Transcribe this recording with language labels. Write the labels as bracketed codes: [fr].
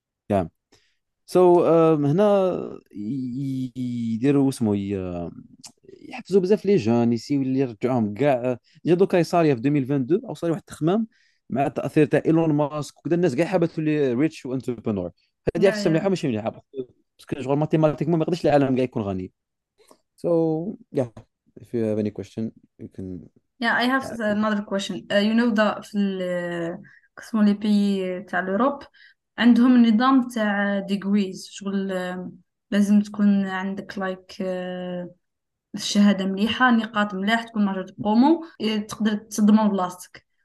[ar] يا سو هنا يديروا اسمه يحفزوا بزاف لي جون يسيو اللي يرجعوهم كاع جا دوكا يصاريا في 2022 او صاري واحد التخمام مع التاثير تاع ايلون ماسك وكذا، الناس كاع حابه تولي ريتش وانتربرونور، هذه [en] Yeah, yeah. [ar] مليحه ماشي مليحه باسكو شغل ماتيماتيكمون ما يقدرش العالم كاع يكون غني. [en] So yeah if you have any question you can Yeah, I have another question. You know that [ar] في قسمو لي بيي تاع لوروب عندهم نظام تاع ديغريز، شغل لازم تكون عندك لايك الشهادة مليحة، نقاط مليح، تكون ماجور ديبلومو تقدر تضمن بلاصتك.